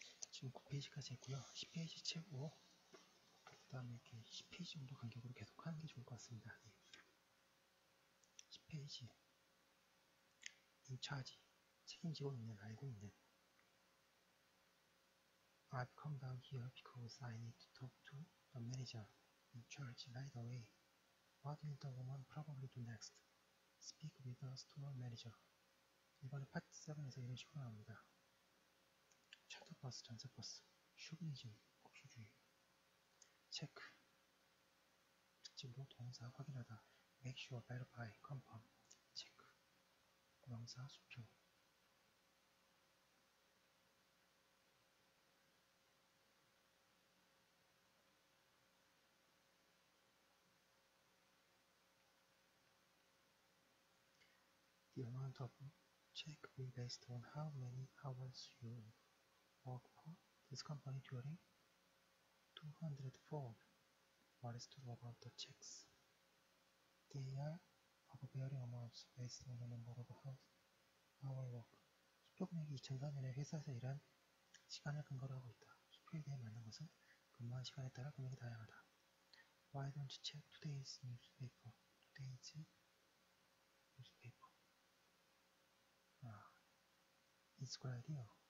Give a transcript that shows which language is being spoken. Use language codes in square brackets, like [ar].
[ko] 지금 9페이지까지 했고요. 10페이지 채우고 그다음에 이렇게 10페이지 정도 간격으로 계속 하는 게 좋을 것 같습니다. 10페이지. 인차지 책임지고 있는, 알고 있는. [en] I've come down here because I need to talk to the manager in charge right away. What will the woman probably do next? Speak with the store manager. [ko] 이번에 파트 7에서 이런 식으로 나옵니다. 차터버스, 전세버스, 쇼비니즘, 국수주의. 체크. 특집으로 동사 확인하다. [en] Make sure, verify, confirm. 체크. 명사 수표. 이 amount of check will be based on how many hours you work for this company during 204. What is true about the checks? They are of varying amounts based on the number of hours work. [ko] 수표 금액이 2004년에 회사에서 일한 시간을 근거로 하고 있다. 수표에 대해 맞는 것은 근무한 시간에 따라 금액이 다양하다. [en] Why don't you check today's newspaper? Today's newspaper. 아, it's a good idea.